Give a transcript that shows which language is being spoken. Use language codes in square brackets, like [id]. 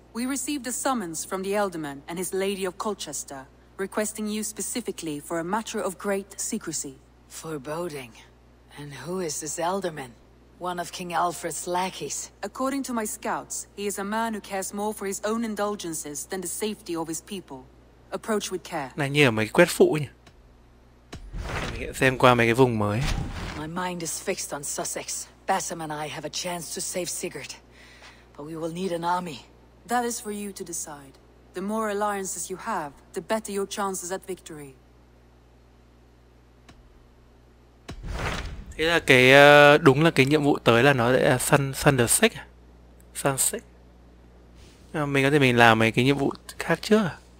[en] We received a summons from the Elderman and his Lady of Colchester, requesting you specifically for a matter of great secrecy. Foreboding. And who is this Elderman? One of King Alfred's lackeys. According to my scouts, he is a man who cares more for his own indulgences than the safety of his people. Approach with care. [vi] Này nhờ mấy cái quét phụ nhỉ? Mình xem qua mấy cái vùng mới. [en] My mind is fixed on Sussex. Bassam and I have a chance to save Sigurd, but we will need an army. That is for you to decide. The more alliances you have, the better your chances at victory. [vi] Thế là cái đúng là cái nhiệm vụ tới là nó sẽ Sunset. Sunset. Mình có thể mình làm mấy cái nhiệm vụ khác chưa?